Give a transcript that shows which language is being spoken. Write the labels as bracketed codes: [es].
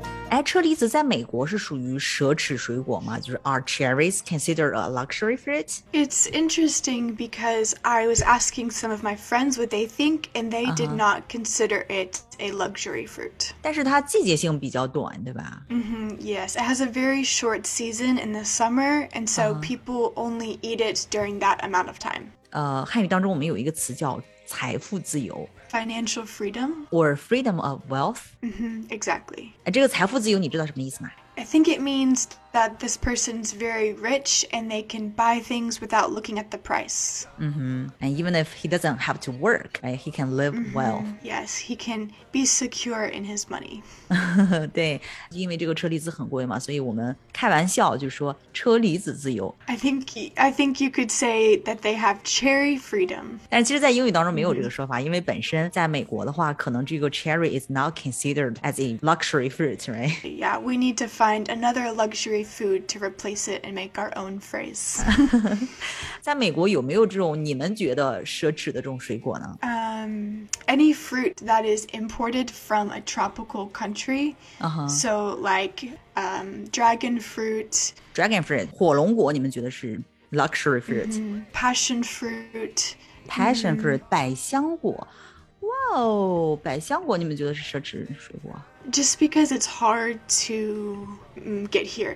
[zh] 哎，车厘子在美国是属于奢侈水果吗？ [en] 就是 are cherries considered a luxury fruit? It's interesting because I was asking some of my friends what they think, and they did not consider it a luxury fruit. [zh] 但是它季节性比较短，对吧？ [en] Yes, it has a very short season in the summer, and so people only eat it during that amount of time. [zh] 汉语当中我们有一个词叫财富自由。 [en] Financial freedom? Or freedom of wealth? Exactly. [zh] 这个财富自由你知道什么意思吗？ [en] I think it means that this person's very rich and they can buy things without looking at the price. Mm-hmm. And even if he doesn't have to work, right, he can live mm-hmm. well. Yes, he can be secure in his money. [zh] 对，因为这个车厘子很贵嘛，所以我们开玩笑就说车厘子自由。 [en] I think you could say that they have cherry freedom. [zh] 但其实在英语当中没有这个说法、mm-hmm. 因为本身在美国的话可能这个 [en] cherry is not considered as a luxury fruit, right? Yeah, we need to find another luxury food to replace it and make our own phrase. [zh] 在美国有没有这种你们觉得奢侈的这种水果呢？ [en] Any fruit that is imported from a tropical country. Uh-huh. So like dragon fruit. [zh] Dragon fruit, 火龙果你们觉得是 luxury fruit?、 [en] Mm-hmm. Passion fruit. Passion fruit,、mm-hmm. 百香果。 [zh] Wow, 百香果你们觉得是奢侈水果？ [en] Just because it's hard to get here.